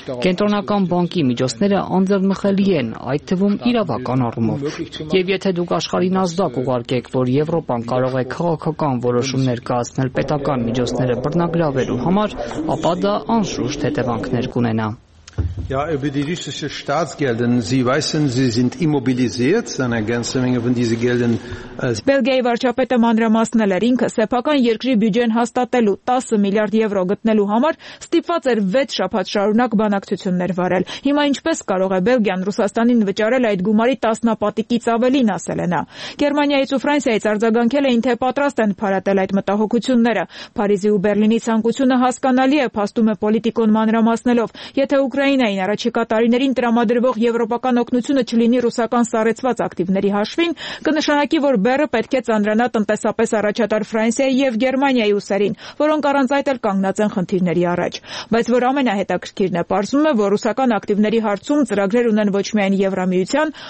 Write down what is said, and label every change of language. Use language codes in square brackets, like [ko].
[hy] Կենտրոնական բանկի միջոցները անձեռնմխելի են, այդ թվում իրավական առումով։ Եվ եթե դուք աշխարհին ազդակ ուղարկեք, որ Եվրոպան կարող է քաղաքական որոշումներ կայացնել պետական միջոցները բռնագրավելու համար, ապա դա անշուշտ հետևանքներ կունենա։ [de] Ja, über die russischen Staatsgelder, Sie wissen, Sie sind immobilisiert, eine ganze Menge von diesen Geldern. [hy] Բելգիայի վարչապետը մանրամասնել էր, ինքը սեփական երկրի բյուջեն հաստատելու 10 միլիարդ եվրո գտնելու համար ստիպված էր 6 շաբաթ շարունակ բանակցություններ վարել։ Հիմա ինչպես կարող է Բելգիան Ռուսաստանին վճարել այդ գումարի 10-նապատիկից ավելին, ասել է նա։ Գերմանիայից ու Ֆրանսիայից արձագանքել էին, թե պատրաստ են փարատել այդ մտահոգությունները։ Փարիզի ու Բեռլինի ցանկությունը հասկանալի է, փաստում է Պոլիտիկոն մանրամասնելով, եթե Ուկրաինային առաջիկա տարիներին տրամադրվող եվրոպական օգնությունը չլինի ռուսական սառեցված ակտիվների հաշվին, կնշանակի, որ բեռը պետք է ծանրանա տնտեսապես առաջատար Ֆրանսիայի և Գերմանիայի ուսերին, որոնք առանց այդ էլ կանգնած են խնդիրների առաջ։ Բայց որ ամենահետաքրքիրն է, պարզվում է, որ ռուսական ակտիվների հարցում ծրագրեր ունեն ոչ միայն Եվրամիության,